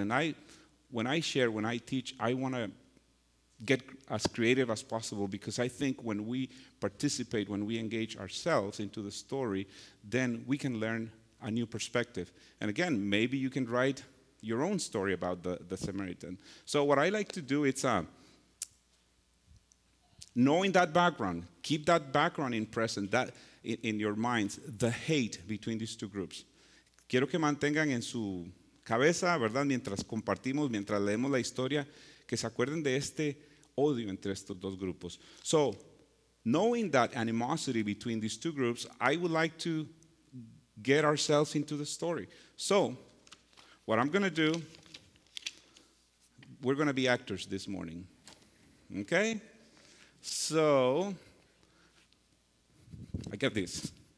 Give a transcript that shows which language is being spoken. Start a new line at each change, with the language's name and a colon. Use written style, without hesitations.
English: And when I teach, I want to get as creative as possible, because I think when we participate, when we engage ourselves into the story, then we can learn a new perspective. And again, maybe you can write your own story about the Samaritan. So what I like to do, it's knowing that background, keep that background in your minds, the hate between these two groups.
Spanish: Quiero que mantengan en su cabeza, ¿verdad?, mientras compartimos, mientras leemos la historia, que se acuerden de este odio entre estos dos grupos.
English: So, knowing that animosity between these two groups, I would like to get ourselves into the story. So, what I'm going to do, we're going to be actors this morning. Okay? So, I get this.